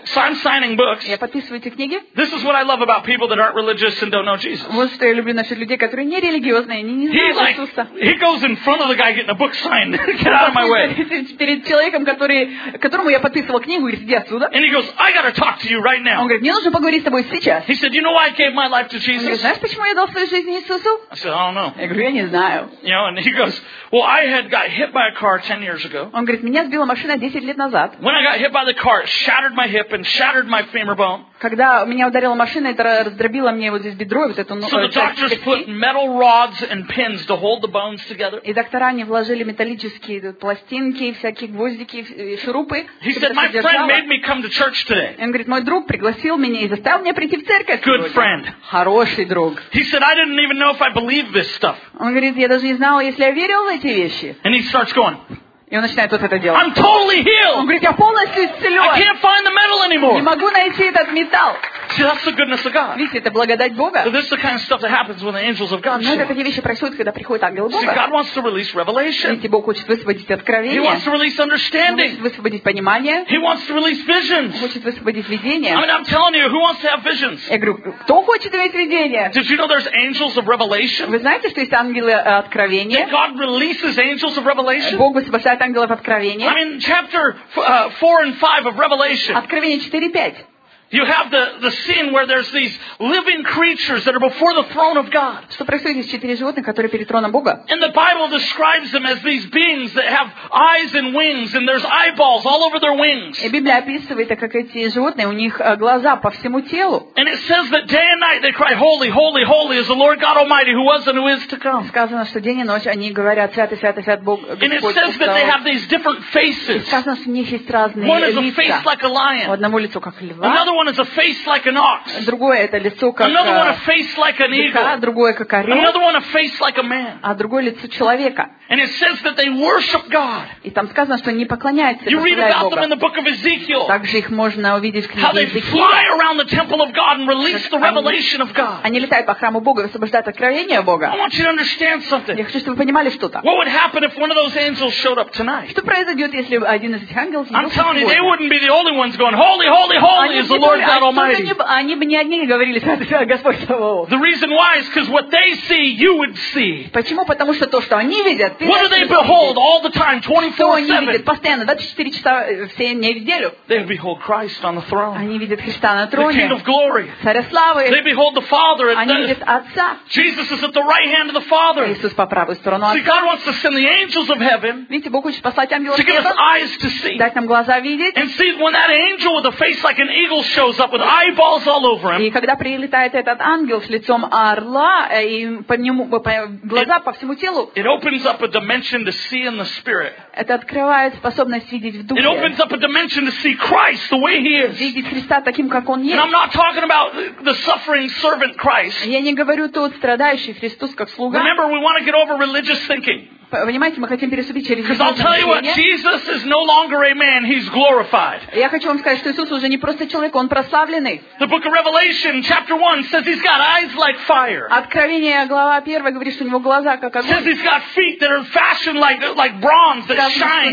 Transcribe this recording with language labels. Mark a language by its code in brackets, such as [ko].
[en] So I'm signing books. [ru] Я подписываю эти книги. [en] This is what I love about people that aren't religious and don't know Jesus. [ru] Вот что я люблю насчет людей, которые не религиозные, они не знают Иисуса. [en] He goes in front of the guy getting a book signed. Get out of my way. [ru] Перед человеком, которому я подписывал книгу, говорит, иди отсюда. [en] And he goes, I got to talk to you right now. [ru] Он говорит, мне нужно поговорить с тобой сейчас. [en] He said, you know why I gave my life to Jesus? [ru] Почему я дал свою жизнь Иисусу? [en] I said, I don't know. [ru] Я говорю, я не знаю. [en] You know, and he goes, well, I had got hit by a car 10 years ago. [ru] Он говорит, меня сбила машина 10 лет назад. [en] When I got hit by the car, it shattered my hip and shattered my femur bone. [ru] Когда меня ударила машина, это раздробило мне вот здесь бедро, вот эту ногу. [en] So the doctors put metal rods and pins to hold the bones together. [ru] И доктора они вложили металлические пластинки, всякие гвоздики, шурупы. [en] He said, my friend made me come to church today. [ru] Он говорит, мой друг пригласил меня и заставил меня прийти в церковь. [en] Good friend. [ru] Хороший друг. [en] He said, I didn't even know if I believed this stuff. [ru] Он говорит, я даже не знал, если я верил в эти вещи. [en] And he starts going. [ru] И он начинает вот это делать. [en] I'm totally healed. [ru] Он говорит, я полностью исцелен. [en] I can't find the metal anymore. [ru] Не могу найти этот металл. [en] See, that's the goodness of God. [ru] Видите, это благодать Бога. [en] So this is the kind of stuff that happens when the angels of God show. [ru] Но такие вещи происходят, когда приходит ангел Бога. [en] See, God wants to release revelation. [ru] Видите, Бог хочет высвободить откровение. [en] He wants to release understanding. [ru] Он хочет высвободить понимание. [en] He wants to release visions. [ru] Он хочет высвободить видение. [en] I mean, I'm telling you, who wants to have visions? [ru] Я говорю, кто хочет иметь видение? [en] Did you know there's angels of revelation? [ru] Вы знаете, что есть ангелы откровения? [en] Did God releases angels of revelation? [ru] Бог высвобождает ангелов откровения. [en] I mean, chapter 4 and 5 of Revelation. [ru] Откровение 4 и 5. [en] You have the scene where there's these living creatures that are before the throne of God. [ru] Что происходит, здесь четыре животных, которые перед троном Бога. [en] And the Bible describes them as these beings that have eyes and wings, and there's eyeballs all over their wings. [ru] И Библия описывает, как эти животные, у них глаза по всему телу. [en] And it says that day and night they cry, holy, holy, holy is the Lord God Almighty who was and who is to come. [ru] Сказано, что день и ночь они говорят, святый, святый, святый Бог. [en] And it says that they have these different faces. [ru] Сказано, что у них есть разные лица. [en] One is a face like a lion. [ru] У одного лицо как льва. [en] One is a face like an ox. [ru] Другое это лицо как. [en] Another one a face like an eagle. [ru] Другое как орел. [en] Another one a face like a man. [ru] А другое лицо человека. [en] And it says that they worship God. [ru] И там сказано, что они поклоняются Богу. [en] You read about them in the book of Ezekiel. [ru] Также их можно увидеть в книге Иезекииля. [en] How they fly around the temple of God and release the revelation of God. [ru] Они летают по храму Бога, высвобождают откровение Бога. [en] I want you to understand something. [ru] Я хочу, чтобы вы понимали что-то. [en] What would happen if one of those angels showed up tonight? [ru] Что произойдет, если один из этих ангелов? [en] I'm telling you, they wouldn't be the only ones going, holy, holy, holy is the Lord. [ru] Они бы не одни говорили, Господь Саваоф. [en] The reason why is because what they see, you would see. [ru] Почему? Потому что то, что они видят, ты. [en] What do they behold all the time, 24/7? [ru] Что они видят постоянно, 24 часа в неделю? [en] They behold Christ on the throne. [ru] Они видят Христа на троне. [en] The King of Glory. [ru] Царя славы. [en] They behold the Father. [ru] Они видят Отца. [en] Jesus is at the right hand of the Father. [ru] Иисус по правую сторону Отца. [en] See, God wants to send the angels of heaven. [ru] Видите, Бог хочет послать ангелов с неба. [en] To give us eyes to see. [ru] Дать нам глаза видеть. [en] And see when that angel with a face like an eagle shows up with eyeballs all over him. [ru] И когда прилетает этот ангел с лицом орла и по нему глаза по всему телу. [en] It opens up a dimension to see in the spirit. [ru] Это открывает способность видеть в духе. [en] It opens up a dimension to see Christ the way he is. [ru] Видеть Христа таким, как он есть. [en] And I'm not talking about the suffering servant Christ. [ru] Я не говорю тут страдающий Христос как слуга. [en] Remember, we want to get over religious thinking. [ru] Понимаете, мы хотим переступить через религиозное мышление. [en] Because I'll tell you what, Jesus is no longer a man, he's glorified. [ru] Я хочу вам сказать, что Иисус уже не просто человек, он прославленный. [en] The book of Revelation, chapter 1, says he's got eyes like fire. [ru] Откровение, глава 1, говорит, что у него глаза как огонь. [en] Says he's got feet that are fashioned like bronze, that shine.